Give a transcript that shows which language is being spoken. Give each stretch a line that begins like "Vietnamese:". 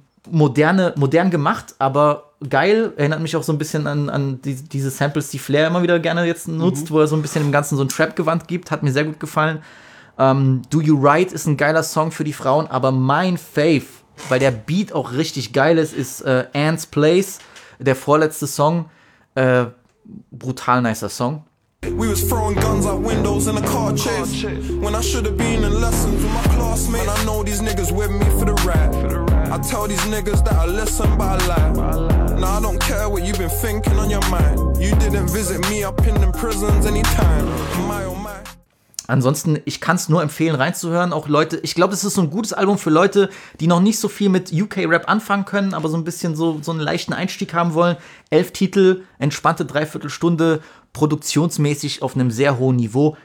German: Modern gemacht, aber geil. Erinnert mich auch so ein bisschen an diese Samples, die Flair immer wieder gerne jetzt nutzt, wo er so ein bisschen im Ganzen so ein Trap-Gewand gibt. Hat mir sehr gut gefallen. Do You Right ist ein geiler Song für die Frauen, aber mein Fave, weil der Beat auch richtig geil ist, ist Anne's Place, der vorletzte Song. Brutal nicer Song.
English: We was throwing guns out windows in a car chase. When I should have been in lessons with my classmates. And I know these niggas with me for the rap. I tell these niggas that I listen but I lie. Now I don't care what you've been thinking on your mind. You didn't visit me up in them prisons anytime. My oh my.
German: Ansonsten, ich kann es nur empfehlen, reinzuhören. Auch Leute, ich glaube, es ist so ein gutes Album für Leute, die noch nicht so viel mit UK-Rap anfangen können, aber so ein bisschen so einen leichten Einstieg haben wollen. 11 Titel, entspannte Dreiviertelstunde, produktionsmäßig auf einem sehr hohen Niveau.